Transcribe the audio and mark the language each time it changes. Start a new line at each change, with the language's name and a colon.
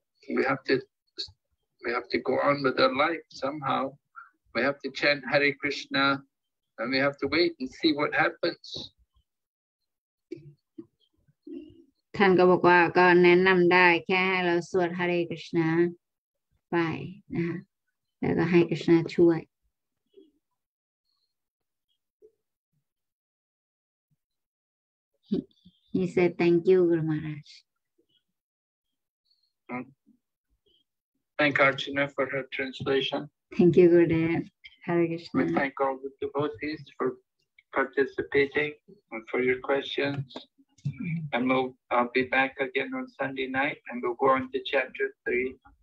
English: We have to go on with our life somehow. We have to chant Hare Krishna, and we have to wait and see what happens.
Thai: ท่านก็บอกว่าก็แนะนำได้แค่ให้เราสวดฮาเรคริชนาไปนะคะแล้วก็ให้คริชนาช่วย
English: He said thank you Guru Maharaj Thank Archana for her translation Thank you Gurudev Hare Krishna We thank all the devotees for participating and for your questionsAnd I'll be back again on Sunday night, and we'll go on to chapter 3.